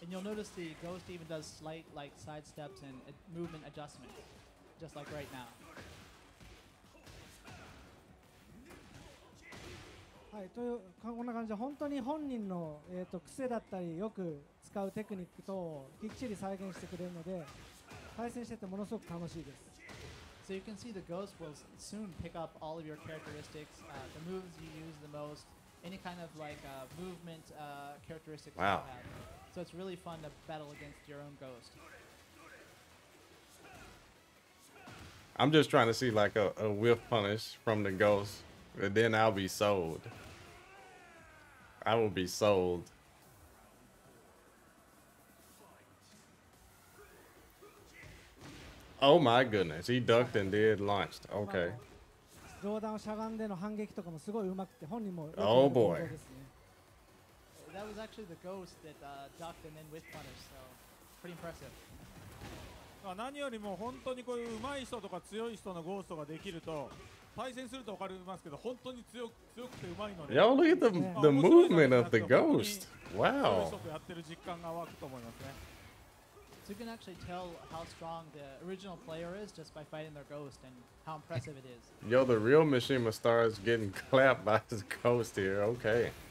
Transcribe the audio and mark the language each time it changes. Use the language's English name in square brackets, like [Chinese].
[English] And you'll notice the ghost even does slight like sidesteps and movement adjustments, just like right now. [Japanese] はい、というこんな感じで本当に本人の、癖だったりよく使うテクニック等をきっちり再現してくれるので対戦しててものすごく楽しいです。 [English] So you can see the ghost will soon pick up all of your characteristics,、the moves you use the most, any kind of like movement characteristics you have. So it's really fun to battle against your own ghost. I'm just trying to see like a whiff punish from the ghost. And then I'll be sold. I will be sold. Oh my goodness, he ducked and did launched. Okay. Oh boy. That was actually the ghost that ducked and then whiff punished, so pretty impressive. [Japanese] 何よりも本当にこういう上手い人とか強い人のゴーストができると対戦すると分かりますけど本当に強くて上手いので [English] Y'all look at the movement of the ghost. Wow. [Japanese] やってる実感が湧くと思いますね [English] So you can actually tell how strong the original player is just by fighting their ghost and how impressive it is. Yo, the real Mishima star is getting clapped by his ghost here. Okay.